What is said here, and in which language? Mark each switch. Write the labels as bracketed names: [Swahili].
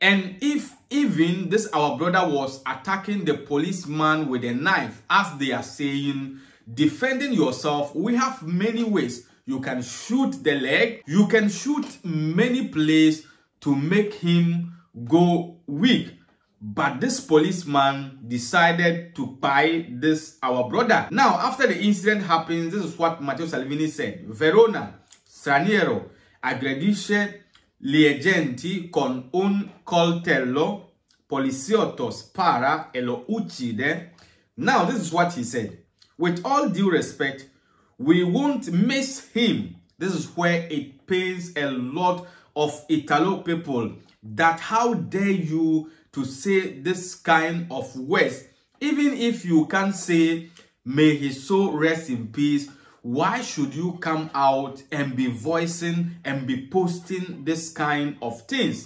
[English] And if even this our brother was attacking the policeman with a knife, as they are saying, defending yourself, we have many ways. You can shoot the leg, you can shoot many places to make him go weak. But this policeman decided to pie this our brother. Now, after the incident happens, this is what Matteo Salvini said. [Italian] Verona, straniero, aggredisce gli agenti con un coltello, poliziotto spara e lo uccide. [English] Now, this is what he said. With all due respect, we won't miss him. This is where it pains a lot of Italo people, that how dare you to say this kind of words. Even if you can say, may his soul rest in peace, why should you come out and be voicing and be posting this kind of things?